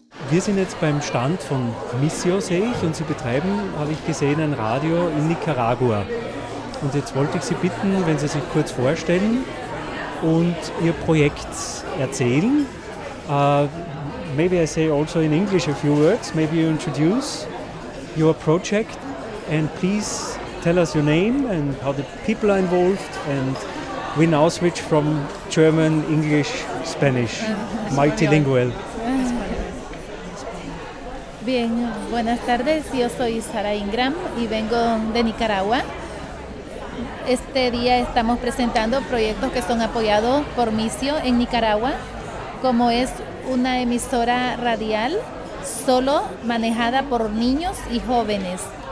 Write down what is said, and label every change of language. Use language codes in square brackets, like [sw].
[de] Wir sind jetzt beim Stand von Missio, sehe ich, und Sie betreiben, habe ich gesehen, ein Radio in Nicaragua. Und jetzt wollte ich Sie bitten, wenn Sie sich kurz vorstellen und Ihr Projekt erzählen. [en] Maybe I say also in English a few words, maybe you introduce your project and please tell us your name and how the people are involved, and we now switch from German, English, Spanish, multilingual. [es] Bien, buenas tardes, yo soy Sara Ingram y vengo de Nicaragua. Este día estamos presentando proyectos que son apoyados por Missio en Nicaragua, como es una emisora radial solo manejada por niños y jóvenes.